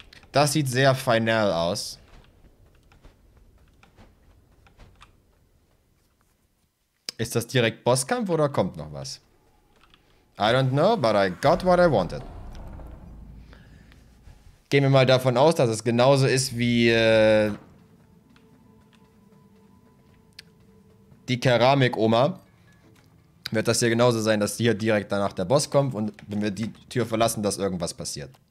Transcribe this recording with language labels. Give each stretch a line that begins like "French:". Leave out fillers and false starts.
German: Das sieht sehr final aus. Ist das direkt Bosskampf oder kommt noch was?
English: I don't know, but I got what I wanted.
German: Gehen wir mal davon aus, dass es genauso ist wie die Keramik-Oma. Wird das hier genauso sein, dass hier direkt danach der Boss kommt und wenn wir die Tür verlassen, dass irgendwas passiert.